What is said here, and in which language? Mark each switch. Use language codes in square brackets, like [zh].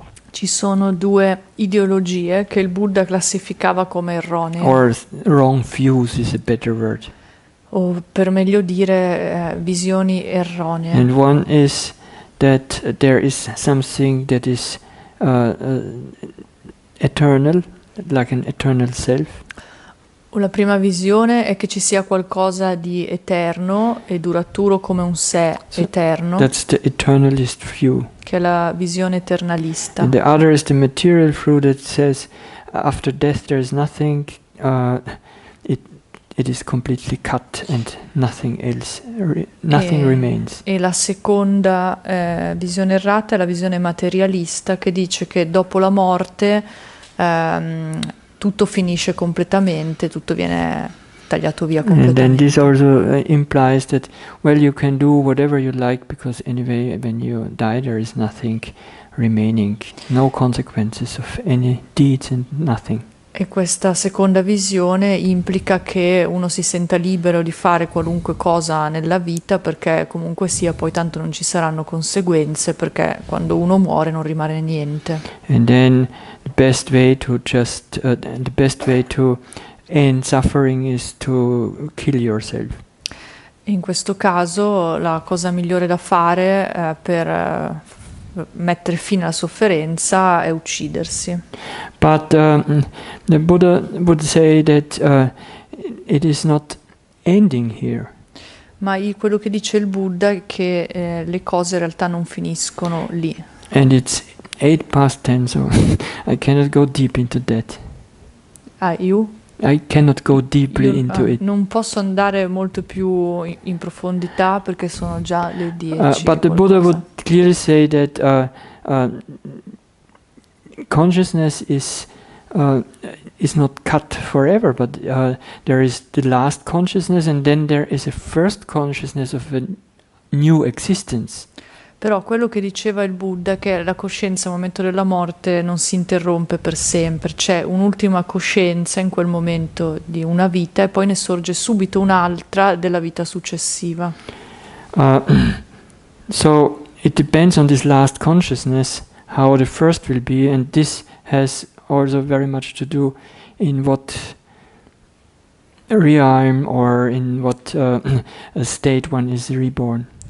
[it] Ci sono due ideologie che il Buddha classificava come erronee. [en] Or wrong views is a better word. [it] O per meglio dire visioni erronee. [en] And one is that there is something that is eternal, like an eternal self. [it] La prima visione è che ci sia qualcosa di eterno e duraturo come un sé eterno. [en] That's the eternalist view. [it] Che è la visione eternalista. [en] And the other is the material view that says after death there is nothing, it is completely cut and nothing remains. [it] E la seconda visione errata è la visione materialista che dice che dopo la morte tutto finisce completamente, tutto viene tagliato via completamente. [en] And then this also implies that well you can do whatever you like because anyway when you die there is nothing remaining, no consequences of any deeds and nothing. [it] E questa seconda visione implica che uno si senta libero di fare qualunque cosa nella vita perché comunque sia poi tanto non ci saranno conseguenze perché quando uno muore non rimane niente. [en] And then the best way to just the best way to end suffering is to kill yourself. [it] In questo caso la cosa migliore da fare per mettere fine alla sofferenza e uccidersi. [en] But the Buddha would say that it is not ending here. [it] Ma quello che dice il Buddha è che le cose in realtà non finiscono lì. [en] And it's 8 past 10, so I cannot go deep into that. I cannot go deeply into it. [it] Non posso andare molto più in profondità perché sono già le 10. [en] But the Buddha would clearly say that consciousness is not cut forever, but there is the last consciousness and then there is a first consciousness of a new existence. [it] Però quello che diceva il Buddha è che la coscienza al momento della morte non si interrompe per sempre, c'è un'ultima coscienza in quel momento di una vita e poi ne sorge subito un'altra della vita successiva. [en] So it depends on this last consciousness how the first will be, and this has also very much to do in what realm or in what state one is reborn.